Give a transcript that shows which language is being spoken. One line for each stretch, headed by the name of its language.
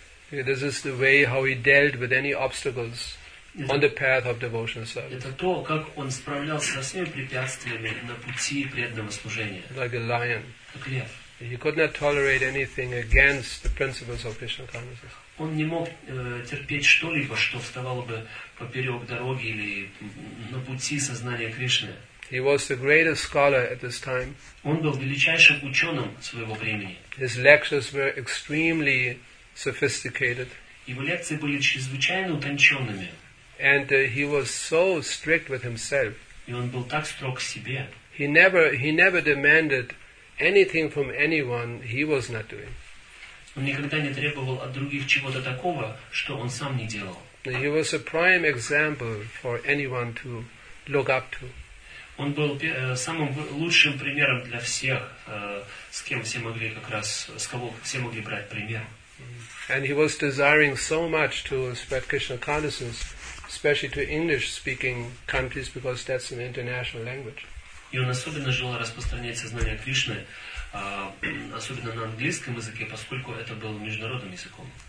English: This is the way how he dealt with any obstacles on the path of devotional service.
Russian: Это то, как он справлялся со всеми препятствиями на пути преданного служения.
English: Like a lion.
Russian: Как лев.
English: He could not tolerate anything against the principles of Krishna consciousness.
Russian: Он не мог терпеть что-либо, что вставало бы поперек дороги или на пути сознания Кришны.
English: He was the greatest scholar at this time.
Russian: Он был величайшим ученым своего времени.
English: His lectures were extremely sophisticated.
Russian: Его лекции были чрезвычайно утонченными.
English: And he was so strict with himself.
Russian: И он был так строг к себе.
English: He never demanded anything from anyone he was not doing.
Russian: Он никогда не требовал от других чего-то такого, что он сам не делал.
English: He was a prime example for anyone to look up to.
Russian: Он был самым лучшим примером для всех, с кем все могли как раз, с кого все могли брать пример.
English: And he was desiring so much to spread Krishna consciousness, especially to English-speaking countries, because that's an international language.
Russian: И он особенно желал распространять сознание Кришны, особенно на английском языке, поскольку это был международным языком.